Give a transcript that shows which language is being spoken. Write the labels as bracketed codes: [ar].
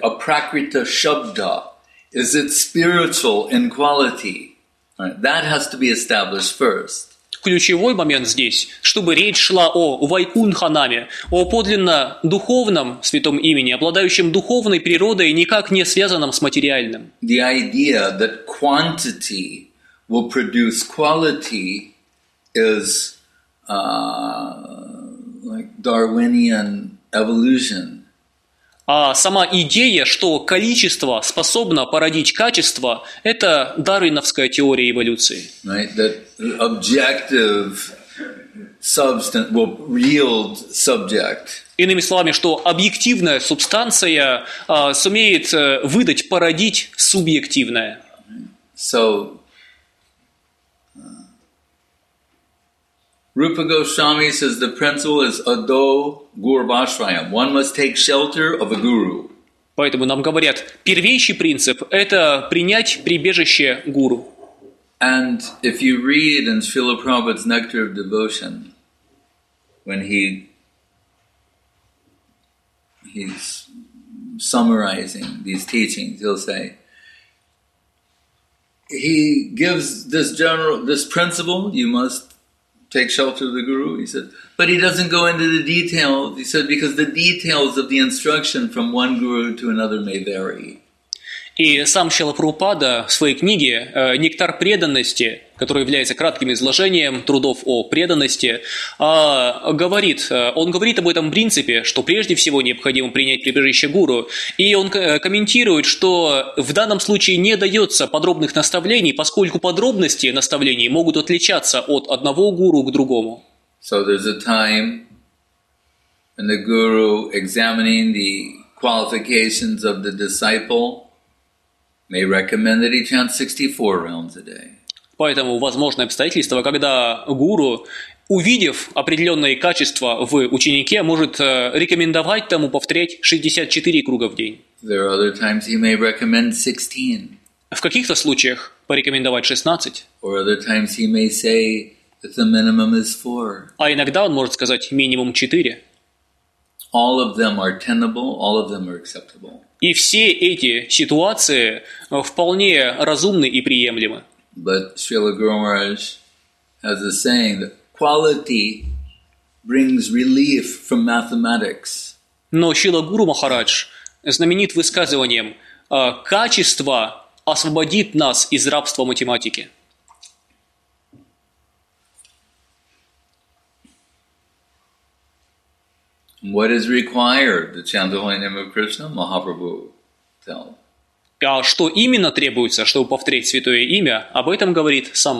[en] A prakrita shabda, is it spiritual in quality? Right? That has to be established first. [ru] Ключевой момент здесь, чтобы речь шла о Вайкунханаме, о подлинно духовном святом имени, обладающем духовной природой, никак не связанном с материальным. [en] The idea that quantity will produce quality is like Darwinian evolution. [ru] А сама идея, что количество способно породить качество, это дарвиновская теория эволюции. [en] Right, that objective substance will yield subject. [ru] Иными словами, что объективная субстанция сумеет выдать, породить субъективное. [en] So, Rupa Goswami says the principle is ado gurvashrayam. One must take shelter of a guru. [ru] Поэтому нам говорят, первейший принцип – это принять прибежище гуру. [en] And if you read in Srila Prabhupada's Nectar of Devotion, when he's summarizing these teachings, he'll say, he gives this general, this principle, you must take shelter of the guru, he said. But he doesn't go into the details, he said, because the details of the instruction from one guru to another may vary. [ru] И сам Шрила Прабхупада в своей книге «Нектар преданности», который является кратким изложением трудов о преданности, говорит об этом принципе, что прежде всего необходимо принять прибежище гуру, и он комментирует, что в данном случае не дается подробных наставлений, поскольку подробности наставлений могут отличаться от одного гуру к другому. [en] So there's a time when the guru examining the qualifications of the disciple may recommend that he chant 64 rounds a day. [ru] Поэтому возможно обстоятельство, когда гуру, увидев определенные качества в ученике, может рекомендовать тому повторять 64 круга в день. [en] There are other times he may recommend 16. [ru] В каких-то случаях порекомендовать 16. [en] Or other times he may say that the minimum is 4. [ru] А иногда он может сказать минимум 4. [en] All of them are tenable, all of them are acceptable. [ru] И все эти ситуации вполне разумны и приемлемы. [en] But Srila Guru Maharaj has a saying that quality brings relief from mathematics. [ru] Но Шрила Гуру Махарадж знаменит высказыванием: качество освободит нас из рабства математики. [en] What is required to chant the holy name of Krishna? Mahaprabhu tells. [ru] А что именно требуется, чтобы повторить святое имя, об этом говорит сам